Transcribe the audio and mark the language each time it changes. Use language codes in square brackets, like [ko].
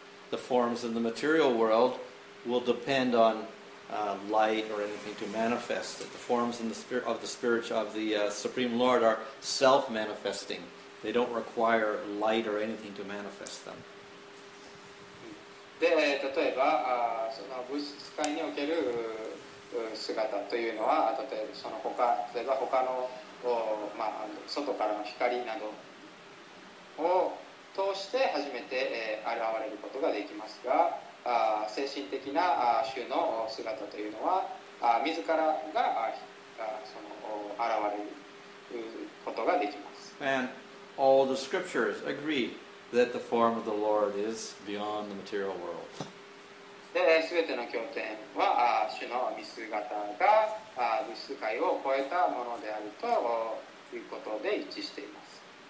[en] The forms in the material world will depend onlight or anything to manifest it. The forms in the spirit of the spirit of the Supreme Lord are self-manifesting. They don't require light or anything to manifest them. [ja] で、例えば、その物質界における姿というのは、例えば他の、まあ、外からの光などを通して初めて、現れることができますが、精神的な主の姿というのは、自らがその現れることができます。 [en] And all the scriptures agree that the form of the Lord is beyond the material world. [ja] で、全ての経典は主の見姿が物質界を超えたものであるということで一致しています。